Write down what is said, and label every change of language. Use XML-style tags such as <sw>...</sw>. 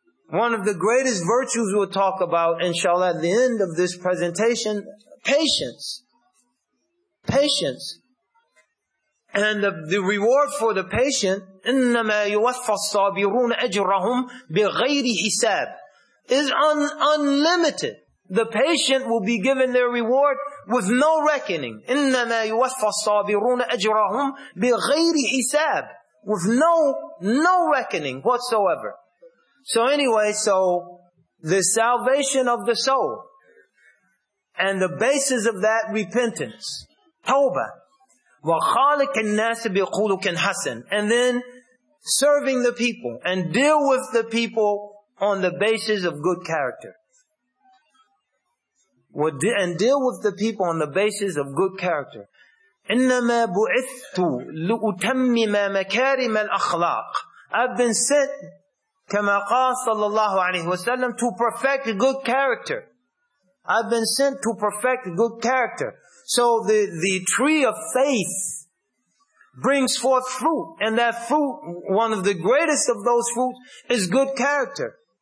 <en>One of the greatest virtues we'll talk about, inshallah, at the end of this presentation, patience. Patience. And the reward for the patient,</en> <ar>إِنَّمَا يُوَفَّى الصَّابِرُونَ أَجْرَهُمْ بِغَيْرِ حِسَابٍ</ar> <en>is unlimited. The patient will be given their reward with no reckoning.</en> <ar>إِنَّمَا يُوَفَّى الصَّابِرُونَ أَجْرَهُمْ بِغَيْرِ حِسَابٍ</ar> <en>with no reckoning whatsoever. So anyway, so the salvation of the soul and the basis of that repentance, tawbah,</en> <ar>وخالق الناس بخلق حسن,</ar> <en>and then serving the people and deal with the people on the basis of good character. And deal with the people on the basis of good character.</en> <ar>إنما بعثت لأتمم مكارم الأخلاق.</ar> <en>I've been sent,</en> <ar>كما قال صلى الله عليه وسلم,</ar> <en>to perfect good character. I've been sent to perfect good character. So the tree of faith brings forth fruit. And that fruit, one of the greatest of those fruits, is good character.</en>